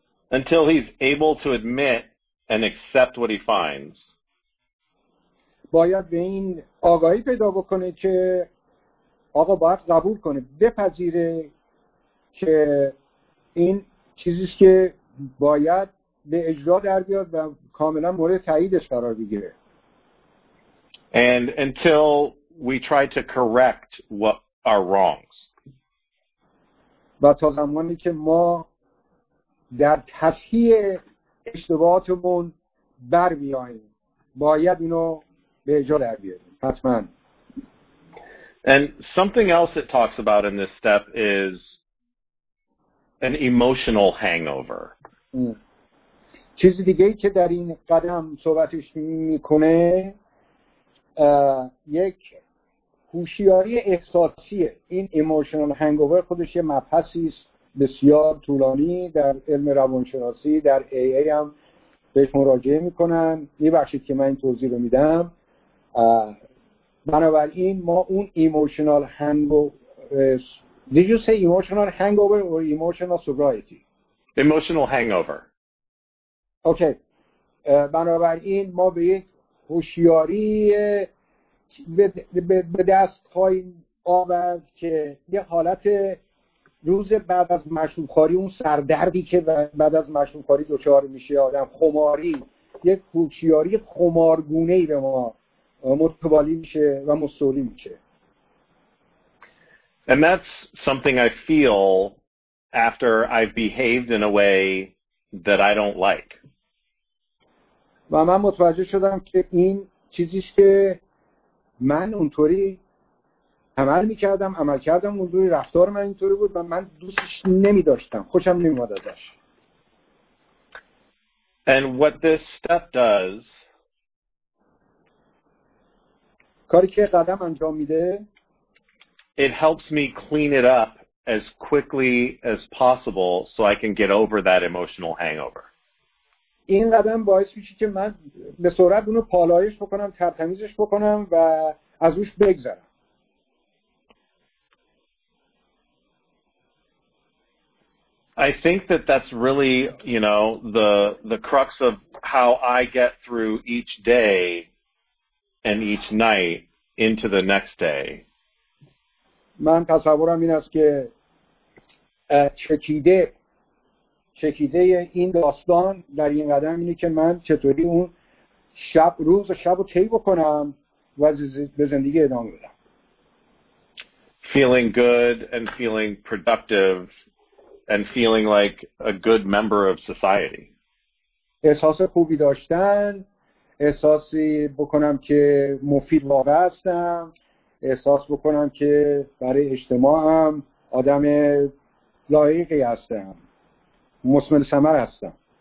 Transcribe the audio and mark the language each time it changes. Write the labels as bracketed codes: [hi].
[en] Until he's able to admit and accept what he finds. [fa] باید به این آگاهی پیدا بکنه که آقا باید قبول کنه بپذیره که این چیزیست که باید به اجرا در بیاد و کاملا مورد تاییدش قرار بگیره. [en] And until we try to correct what are wrongs. [fa] و تا زمانی که ما در تصحیح اشتباهاتمون بر میاییم باید اینو به اجرا در بیاریم حتما. [en] And something else it talks about in this step is an emotional hangover. [fa] چیزی دیگه ای که در این قدم صحبتش میکنه یک هوشیاری احساسیه. این emotional hangover خودش یه مبحثی است بسیار طولانی در علم روانشناسی در AA هم بهش مراجعه میکنن. ببخشید که من این توضیح رو میدم. بنابراین ما اون [en] emotional hangover Did you say emotional hangover or emotional sobriety? Emotional hangover. Okay. [fa] بنابراین ما به یک هوشیاری به دست خواهیم آورد که یه حالت روز بعد از مشروب‌خواری اون سردردی که بعد از مشروب‌خواری دچار میشه آدم خماری یک هوشیاری خمارگونه‌ای به ما متوالی میشه و مستولی میشه. [en] And that's something I feel after I've behaved in a way that I don't like. [fa] و من متوجه شدم که این چیزیه که من اونطوری عمل می‌کردم، عمل کردم اونطوری رفتار من اینطوری بود و من دوستش نمی‌داشتم، خوشم نمی‌اومد ازش. [en] And what this step does [fa] کاری که قدم انجام میده [en] It helps me clean it up as quickly as possible so I can get over that emotional hangover. [fa] این قدم باعث میشه که من به سرعت اونو پالایش بکنم، ترتمیزش بکنم و از روش بگذرم. [en] I think that that's really, you know, the crux of how I get through each day and each night into the next day. [fa] من تصورم این است که چکیده این داستان در این قدم اینه که من چطوری اون شب روز و شب رو طی بکنم و به زندگی ادامه بدم. [en] Feeling good and feeling productive and feeling like a good member of society. [fa] احساس خوبی داشتن، احساسی بکنم که مفید واقع هستم، احساس بکنم که برای اجتماع هم آدم لایقی هستم، مثمر ثمر هستم.